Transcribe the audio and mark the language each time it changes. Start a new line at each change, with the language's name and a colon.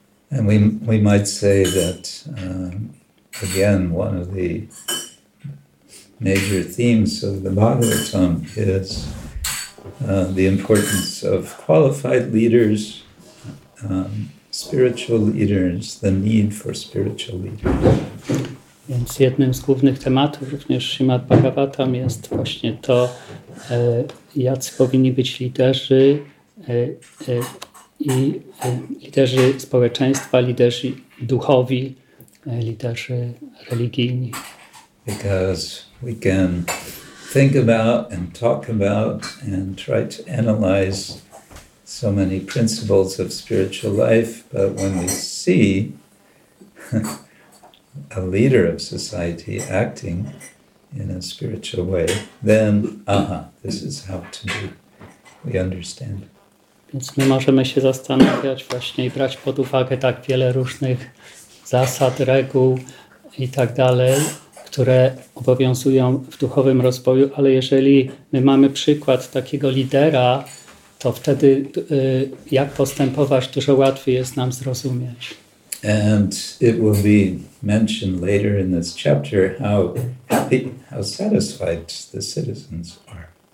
English: And we might say that again one of the major themes of the Bhagavatam is the importance of qualified leaders, spiritual leaders, the need for spiritual leaders.
Polish: Więc jednym z głównych tematów również Śrimad Bhagavatam jest właśnie to, jacy powinni być liderzy i liderzy społeczeństwa, liderzy duchowi, liderzy religijni.
English: Because we can think about and talk about and try to analyze so many principles of spiritual life, but when we see a leader of society acting in a spiritual way, then, this is how to do. We understand.
Polish: Więc my możemy się zastanawiać właśnie i brać pod uwagę tak wiele różnych zasad, reguł i tak dalej, które obowiązują w duchowym rozwoju, ale jeżeli my mamy przykład takiego lidera, to wtedy jak postępować, dużo łatwiej jest nam zrozumieć.
English: And it will be mentioned later in this chapter how happy, how satisfied the citizens are.